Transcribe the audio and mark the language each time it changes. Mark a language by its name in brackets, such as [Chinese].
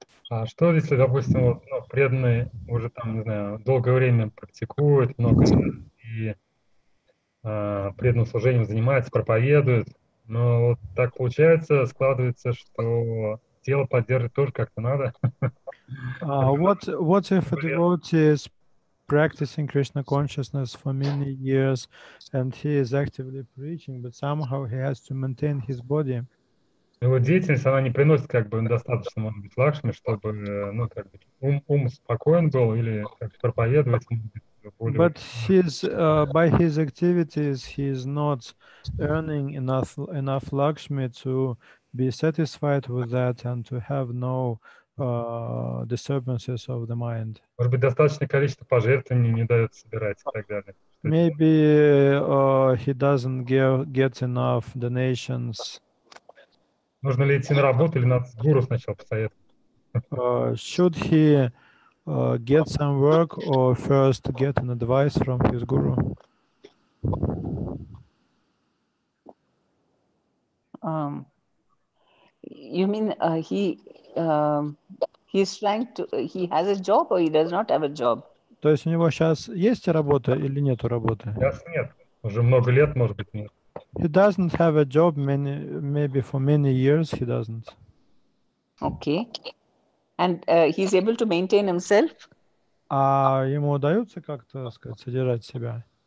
[Russian] А что, если, допустим, вот, ну, преданные уже там, не знаю, долгое время практикуют, много и преданным служением занимаются, проповедуют? Но вот так получается, складывается, что тело поддерживать тоже как-то надо. [English] What if a devotee is practicing Krishna consciousness for many years and he is actively preaching, but somehow he has to maintain his body? [Russian] Его деятельность, она не приносит как бы достаточно, может быть, лакшми, чтобы ну, как бы, ум спокоен был или как бы, проповедовать. [English] But his by his activities he is not earning enough lakshmi to be satisfied with that and to have no disturbances of the mind. [Russian] Может быть достаточное количество пожертвований не дает собирать и так далее. [English] Maybe he doesn't get enough donations. [Russian] Нужно ли идти на работу или надо с гуру сначала посоветовать? [English] Should he get some work or first get an advice from his guru? You mean he has a job or he does not have a job? [Russian] То есть у него сейчас есть работа или нету работы? Сейчас нет. Уже много лет, может быть, нет. [English] He doesn't have a job, maybe for many years he doesn't. Okay. And he's able to maintain himself? [Russian] А ему удается как-то, так сказать, содержать себя?